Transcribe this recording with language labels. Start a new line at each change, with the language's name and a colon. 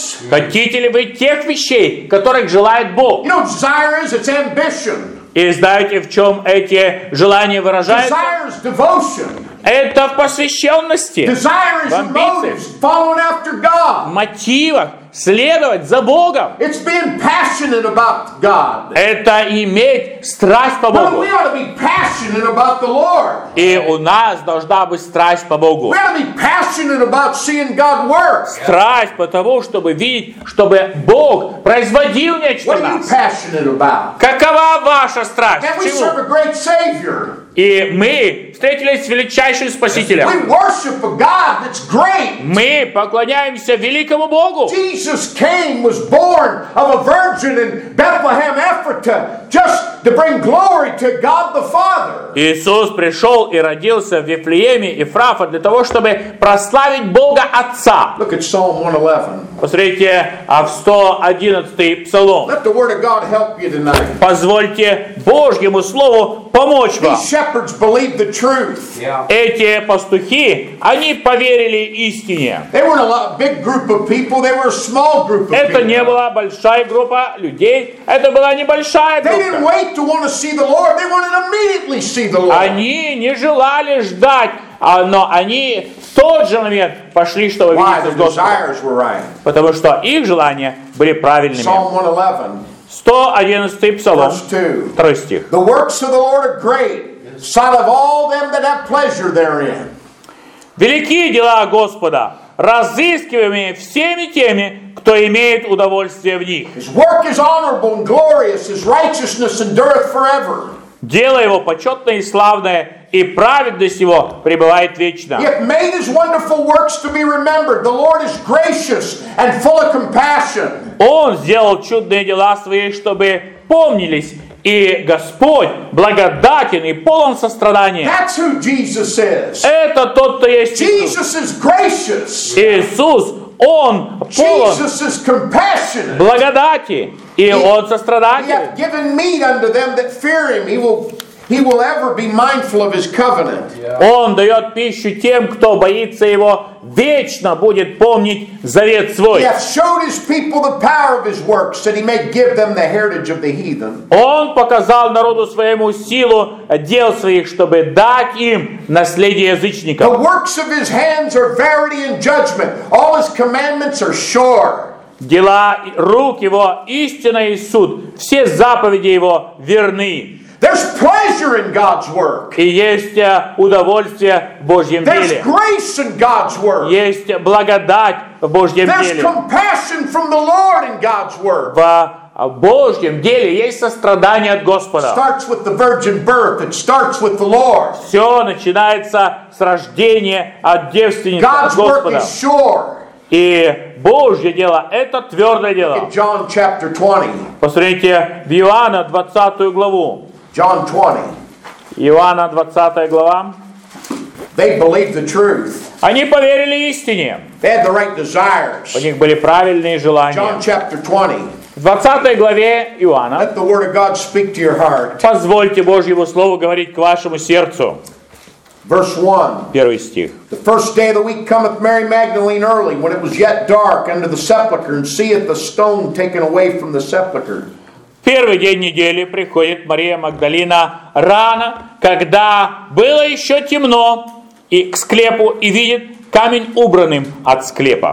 Russian: Хотите ли вы тех вещей, которых желает Бог? И знаете, в чем эти желания выражаются? Это в посвященности, в амбициях, в мотивах следовать за Богом.
English: It's being passionate about God.
Russian: Это иметь страсть по Богу.
English: We ought to be passionate about the Lord.
Russian: И у нас должна быть страсть по Богу.
English: We ought to be passionate about seeing God work.
Russian: Страсть по тому, чтобы видеть, чтобы Бог производил нечто в нас.
English: What are you passionate about?
Russian: Какова ваша страсть?
English: And we serve a great Savior.
Russian: И мы встретились с величайшим Спасителем.
English: We worship a God that's great.
Russian: Мы поклоняемся великому Богу.
English: Jesus came, was born of a virgin in Bethlehem, Ephrata, just to bring glory to God the Father.
Russian: Иисус пришел и родился в Вифлееме и Ефрафа для того, чтобы прославить Бога Отца.
English: Look at Psalm 111.
Russian: Посмотрите в 111 псалом.
English: Let the word of God help you tonight.
Russian: Позвольте Божьему Слову помочь вам.
English: These shepherds believed the truth.
Russian: Эти пастухи, они поверили истине.
English: They weren't a lot, big group of people, they were a small group of people.
Russian: Это не была большая группа людей, это была небольшая группа.
English: They didn't wait to want to see the Lord, they wanted to immediately see the Lord.
Russian: Они не желали ждать. Но они в тот же момент пошли, чтобы видеться с Господом.
English: Right.
Russian: Потому что их желания были правильными.
English: Psalm 111.
Russian: 111 псалом.
English: Verse 2.
Russian: Второй стих.
English: The works of the Lord are great, sight of all them that have pleasure therein.
Russian: Великие дела Господа, разыскиваемые всеми теми, кто имеет удовольствие в них.
English: His work is honorable and glorious, his righteousness endureth forever.
Russian: Дело его почетное и славное, и праведность его пребывает вечно.
English: He made his wonderful works to be remembered. The Lord is gracious and full of compassion.
Russian: Он сделал чудные дела свои, чтобы помнились, и Господь благодатен и полон сострадания.
English: That's who Jesus is.
Russian: Это тот, кто есть
English: Jesus Is gracious.
Russian: Иисус, Он полон благодати, и
English: he,
Russian: Он сострадатель.
English: He will ever be mindful of his covenant.
Russian: Он дает пищу тем, кто боится его, вечно будет помнить завет свой.
English: He has showed his people the power of his works, that he may give them the heritage of the heathen.
Russian: Он показал народу своему силу дел своих, чтобы дать им наследие язычников.
English: The works of his hands are verity and judgment. All his commandments are sure.
Russian: Дела рук его истина и суд. Все заповеди его верны.
English: There's pleasure in God's work.
Russian: И есть удовольствие в Божьем деле.
English: There's grace in God's work.
Russian: Есть благодать в Божьем деле.
English: There's compassion from the Lord in God's work.
Russian: Во Божьем деле есть сострадание от Господа.
English: Starts with the virgin birth. It starts with the Lord.
Russian: Все начинается с рождения от девственницы,
English: God's
Russian: от Господа.
English: Work is sure.
Russian: И Божье дело – это твердое дело.
English: John chapter 20.
Russian: Посмотрите в Иоанна 20 главу.
English: John 20.
Russian: Иоанна 20 глава.
English: They believed the truth.
Russian: Они поверили истине.
English: They had the right desires.
Russian: У них были правильные желания.
English: John chapter 20.
Russian: В 20 главе Иоанна.
English: Let the word of God speak to your heart.
Russian: Позвольте Божьему Слову говорить к вашему сердцу.
English: Verse 1.
Russian: Первый стих.
English: The first day of the week cometh Mary Magdalene early, when it was yet dark, unto the sepulchre, and seeth the stone taken away from the sepulchre.
Russian: Первый день недели приходит Мария Магдалина рано, когда было еще темно, и к склепу, и видит камень убранным от склепа.